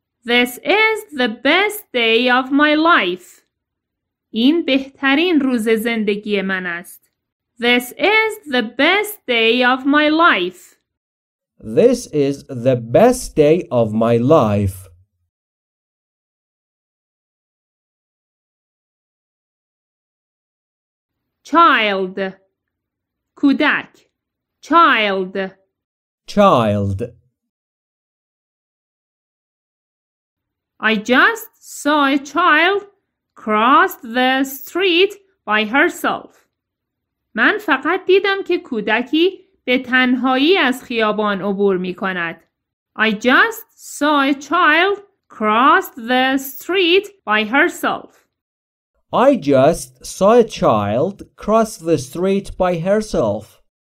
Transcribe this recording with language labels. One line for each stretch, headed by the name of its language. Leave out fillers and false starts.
English: This is the best day of my life.
Persian: این بهترین روز زندگی من است.
English: This is the best day of my life. This is the best day of my life. Child. Kudak. Child. Child. I just saw a child cross the street by herself.
Persian: من فقط دیدم که کودکی به تنهایی از خیابان عبور می کند.
English: I just saw a child cross the street by herself. I just saw a child cross the street by herself.